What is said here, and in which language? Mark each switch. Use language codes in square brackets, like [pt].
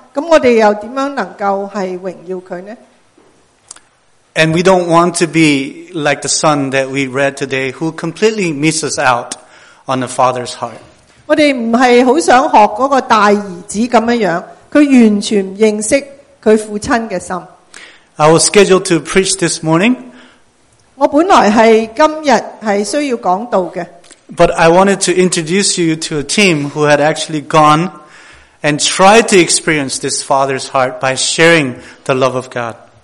[zh] 如果我们人生最终的目标是荣耀神的，但是我们不认识父亲的心，那我们又怎样能够是荣耀他呢？ [en] And we don't want to be like the son that we read today who completely misses out on the Father's heart. [zh] 我们不是很想学那个大儿子这样， 他完全不認識他父親的心。 [en] I was scheduled to preach this morning. [zh] 我本來是今日是需要講道的。 [en] But I wanted to introduce you to a team who had actually gone and tried to experience this father's heart by sharing the love of God.